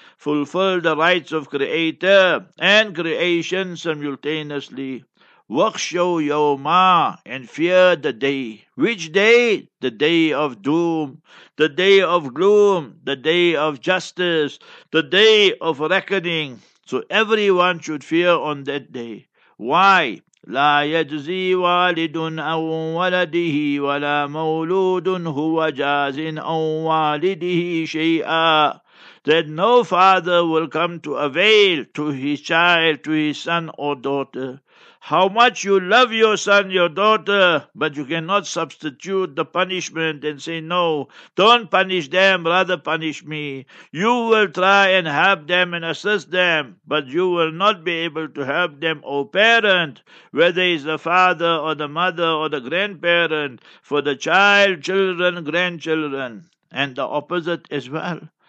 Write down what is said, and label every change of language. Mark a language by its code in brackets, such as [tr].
[en] Fulfill the rights of creator and creation simultaneously. [ar] Wakhshaw yawma, [en] and fear the day. Which day? The day of doom, the day of gloom, the day of justice, the day of reckoning. So everyone should fear on that day. Why? [ar] لا يجزي والد عن ولده ولا مولود هو جاز عن والده شيئا. [en] That no father will come to avail to his child, to his son or daughter. How much you love your son, your daughter, but you cannot substitute the punishment and say, no, don't punish them, rather punish me. You will try and help them and assist them, but you will not be able to help them, O parent, whether it's the father or the mother or the grandparent, for the child, children, grandchildren, and the opposite as well.